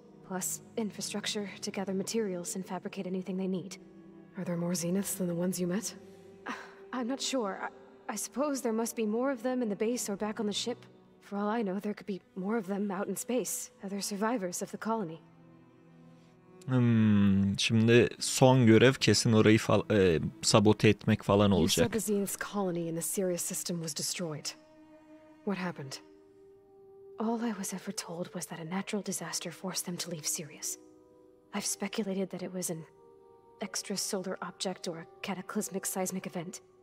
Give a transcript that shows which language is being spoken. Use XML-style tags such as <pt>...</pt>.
<en>Plus infrastructure to gather materials and fabricate anything they need. Are there more Zeniths than the ones you met? I'm not sure. I suppose there must be more of them in the base or back on the ship. For all I know, there could be more of them out in space, other survivors of the colony.</en> <tr>Şimdi son görev kesin orayı sabote etmek falan olacak.</tr> <en>You said the Zenith's colony in the Sirius system was destroyed. What happened? All I was ever told was that a natural disaster forced them to leave Sirius. I've speculated that it was an extrasolar object or a cataclysmic seismic event.</en>